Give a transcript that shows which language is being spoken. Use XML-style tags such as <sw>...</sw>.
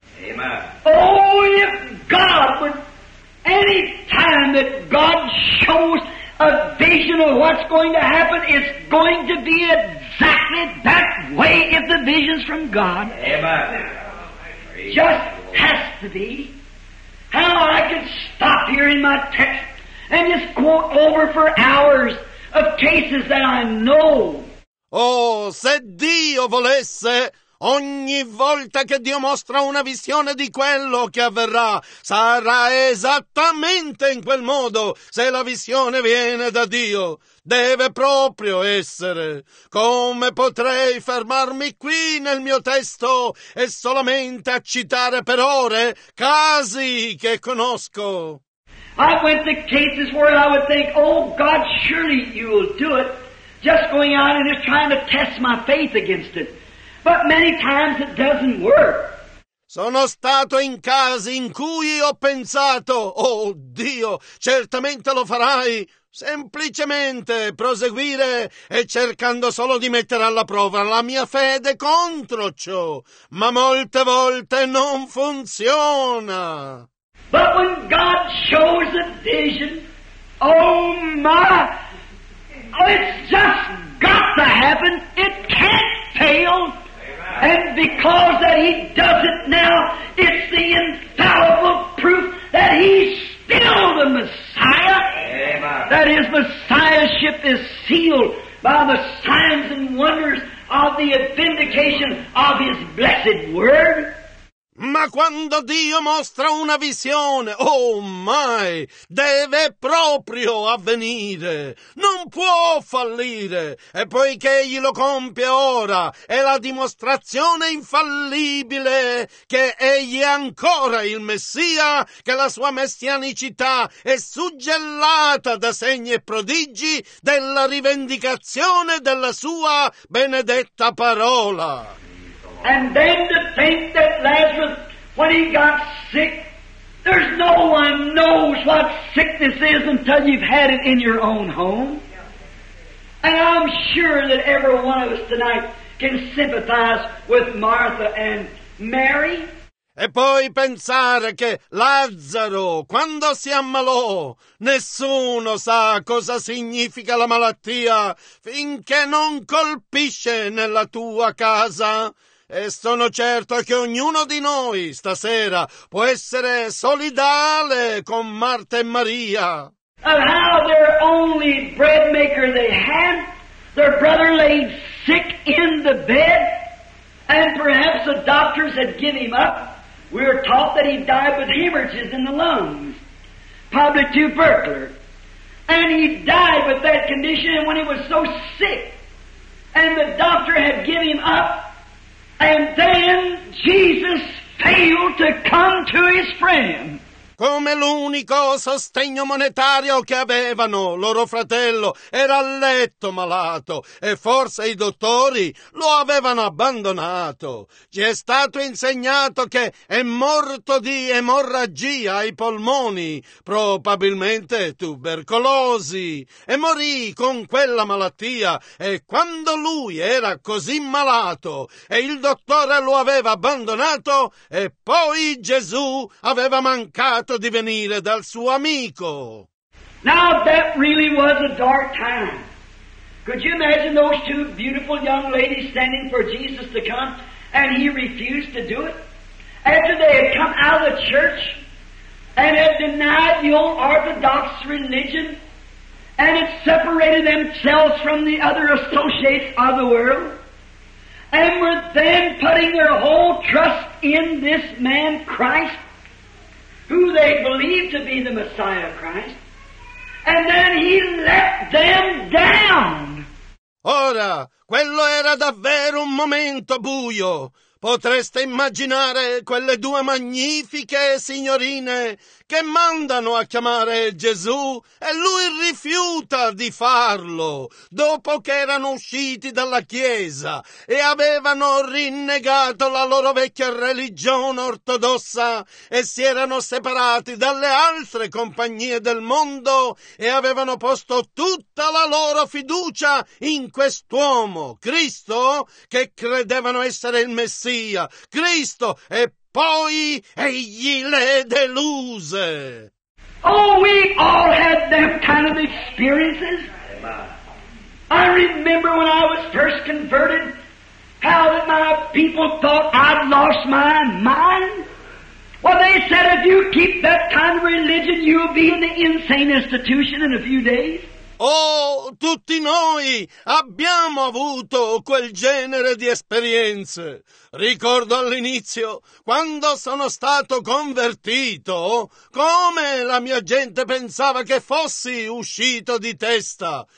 <en>Amen. Oh, if God would, any time that God shows a vision of what's going to happen, it's going to be exactly that way if the vision's from God. Amen. Just has to be. How I could stop here in my text and just quote over for hours of cases that I know.</en> <it>Oh, se Dio volesse, ogni volta che Dio mostra una visione di quello che avverrà, sarà esattamente in quel modo se la visione viene da Dio. deve proprio essere. Come potrei fermarmi qui nel mio testo e solamente a citare per ore casi che conosco?</it> <en>I went to cases where I would think, oh God, surely you will do it, just going out and just trying to test my faith against it. But many times it doesn't work.</en> <it>Sono stato in casi in cui ho pensato, oh Dio, certamente lo farai, semplicemente proseguire e cercando solo di mettere alla prova la mia fede contro ciò, ma molte volte non funziona.</it> <en>But when God shows a vision, oh my, it's just got to happen, it can't fail. And because that he does it now, it's the infallible proof that he's still the Messiah. Amen. That his Messiahship is sealed by the signs and wonders of the vindication of his blessed word.</en> <it>Ma quando Dio mostra una visione, oh mai, deve proprio avvenire, non può fallire, e poiché egli lo compie ora, è la dimostrazione infallibile che egli è ancora il Messia, che la sua messianicità è suggellata da segni e prodigi della rivendicazione della sua benedetta parola.</it> <en>And then to think that Lazarus, when he got sick, there's no one knows what sickness is until you've had it in your own home. And I'm sure that every one of us tonight can sympathize with Martha and Mary.</en> <it>E poi pensare che Lazzaro, quando si ammalò, nessuno sa cosa significa la malattia finché non colpisce nella tua casa. E sono certo che ognuno di noi stasera può essere solidale con Marta e Maria.</it> <en>And how their only bread maker they had, their brother lay sick in the bed, and perhaps the doctors had given him up. We were taught that he died with hemorrhages in the lungs, probably tuberculosis. And he died with that condition, and when he was so sick, and the doctor had given him up, and then Jesus failed to come to his friend.</en> <it>Come l'unico sostegno monetario che avevano, loro fratello era a letto malato e forse i dottori lo avevano abbandonato. Ci è stato insegnato che è morto di emorragia ai polmoni, probabilmente tubercolosi, e morì con quella malattia. E quando lui era così malato e il dottore lo aveva abbandonato, e poi Gesù aveva mancato di venire dal suo amico.</it> <en>Now that really was a dark time. Could you imagine those two beautiful young ladies standing for Jesus to come and he refused to do it? After they had come out of the church and had denied the old orthodox religion and had separated themselves from the other associates of the world and were then putting their whole trust in this man Christ, who they believed to be the Messiah Christ, and then he let them down.</en> <it>Ora, quello era davvero un momento buio. Potreste immaginare quelle due magnifiche signorine che mandano a chiamare Gesù e lui rifiuta di farlo dopo che erano usciti dalla chiesa e avevano rinnegato la loro vecchia religione ortodossa e si erano separati dalle altre compagnie del mondo e avevano posto tutta la loro fiducia in quest'uomo, Cristo, che credevano essere il Messia, Cristo, e poi egli le deluse.</it> <en>Oh, we all had that kind of experiences. I remember when I was first converted, how that my people thought I'd lost my mind. Well, they said, if you keep that kind of religion, you'll be in the insane institution in a few days.</en> <it>Oh, tutti noi abbiamo avuto quel genere di esperienze. Ricordo all'inizio, quando sono stato convertito, come la mia gente pensava che fossi uscito di testa.</it>